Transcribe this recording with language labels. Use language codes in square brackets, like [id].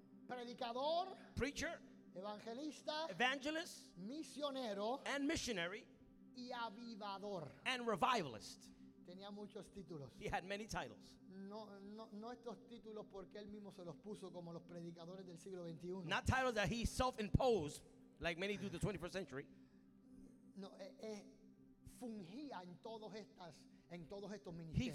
[es] predicador, [en] preacher, [es] evangelista, [en] evangelist, [es] misionero, [en] and missionary, [es] y avivador, [en] and revivalist. [es] Tenía muchos títulos. [en] He had many titles. [es] No estos títulos porque él mismo se los puso como los predicadores del siglo 21. [en] Not titles that he self-imposed like many do the 21st century. [es] No, fungía en todos estas, en todos estos ministerios.